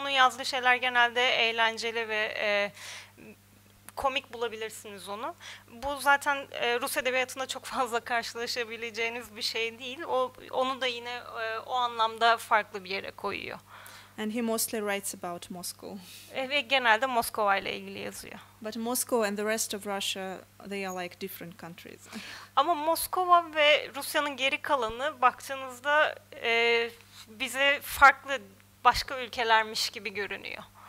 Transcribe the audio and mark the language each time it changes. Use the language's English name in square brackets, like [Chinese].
[Turkish] Onun yazdığı şeyler genelde eğlenceli ve komik bulabilirsiniz onu. Bu zaten Rus edebiyatında çok fazla karşılaşabileceğiniz bir şey değil. Onu da yine o anlamda farklı bir yere koyuyor. [English] And he mostly writes about Moscow. [Turkish] Evet, genelde Moskova ile ilgili yazıyor. [English] But Moscow and the rest of Russia, they are like different countries. [Turkish] Ama Moskova ve Rusya'nın geri kalanı baktığınızda bize farklı, başka ülkelermiş gibi görünüyor.